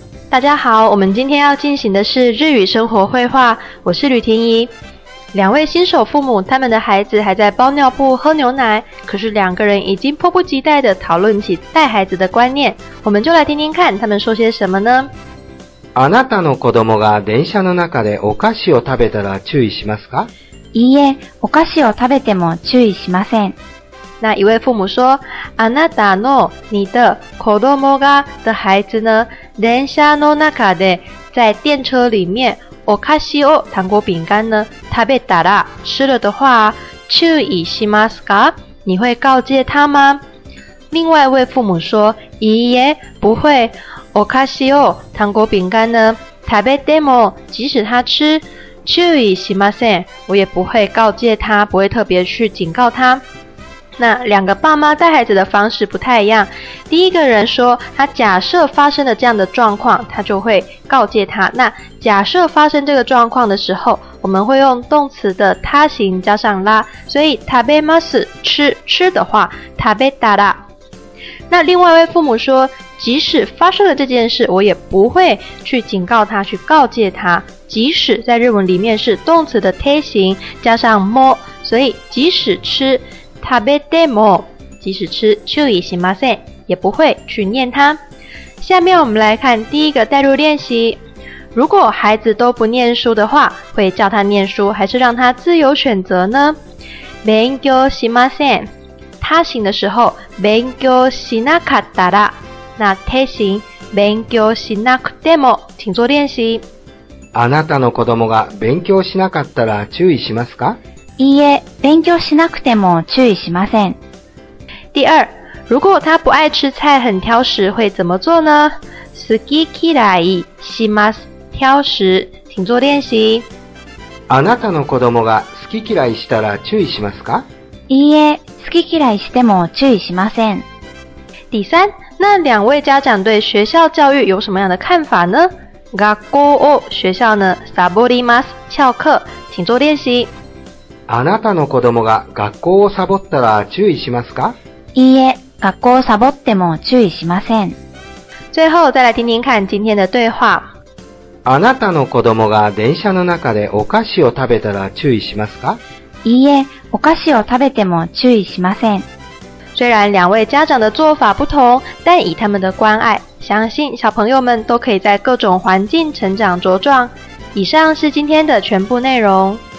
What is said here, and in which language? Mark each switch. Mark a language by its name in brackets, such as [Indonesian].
[Chinese] 大家好，我们今天要进行的是日语生活绘画，我是吕婷宜。两位新手父母，他们的孩子还在包尿布、喝牛奶，可是两个人已经迫不及待地讨论起带孩子的观念。我们就来听听看他们说些什么呢？ [Japanese] あなたの子供が電車の中でお菓子を食べたら注意しますか？いいえ、お菓子を食べても注意しません。 [Chinese] 那一位父母说， [Japanese] あなたの [Chinese] 你的 [Japanese] 子供が [Chinese] 的孩子呢？ [Japanese] 電車の中で [Chinese] 在电车里面。 [Japanese] お菓子を [Chinese] 糖果饼干呢？ [Japanese] 食べたら [Chinese] 吃了的话， [Japanese] 注意しますか？ [Chinese] 你会告诫他吗？另外一位父母说， [Japanese] いいえ， [Chinese] 不会。 [Japanese] お菓子を [Chinese] 糖果饼干呢？ [Japanese] 食べても [Chinese] 即使他吃， [Japanese] 注意しません。 [Chinese] 我也不会告诫他，不会特别去警告他。那两个爸妈带孩子的方式不太一样。第一个人说，他假设发生了这样的状况，他就会告诫他。那假设发生这个状况的时候，我们会用动词的他形加上啦。所以 [Japanese] 食べます [Chinese] 吃吃的话， [Japanese] 食べたら。 [Chinese] 那另外一位父母说，即使发生了这件事，我也不会去警告他，去告诫他。即使在日文里面是动词的他形加上も，所以即使吃。 [Japanese] 食べても [Chinese] 即使吃 [Japanese] 注意しません [Chinese] 也不会去念它。下面我们来看第一个代入练习。如果孩子都不念书的话，会叫他念书还是让他自由选择呢？ [Japanese] 勉強しません [Chinese] 他行的时候 [Japanese] 勉強しなかったら，那他行勉強しなくても [Chinese] 请做练习。 [Japanese] あなたの子供が勉強しなかったら注意しますか？いいえ、勉強しなくても注意しません。 [Chinese] 第二、如果他不爱吃菜、很挑食、会怎么做呢？ [Japanese] 好き嫌いします。 [Chinese] 挑食、请做练习。 [Japanese] あなたの子供が好き嫌いしたら注意しますか？いいえ、好き嫌いしても注意しません。 [Chinese] 第三、那两位家长对学校教育有什么样的看法呢？ [Japanese] 学校を、 [Chinese] 学校呢、 [Japanese] サボります。 [Chinese] 翘课、请做练习。 [Japanese] あなたの子供が学校をサボったら注意しますか？いいえ、学校をサボっても注意しません。 [Chinese] 最後、再来听听看今天的对话。 [Japanese] あなたの子供が電車の中でお菓子を食べたら注意しますか？いいえ、お菓子を食べても注意しません。 [Chinese] 虽然两位家长的做法不同、但以他们的关爱、相信小朋友们都可以在各种环境成长茁壮。以上是今天的全部内容。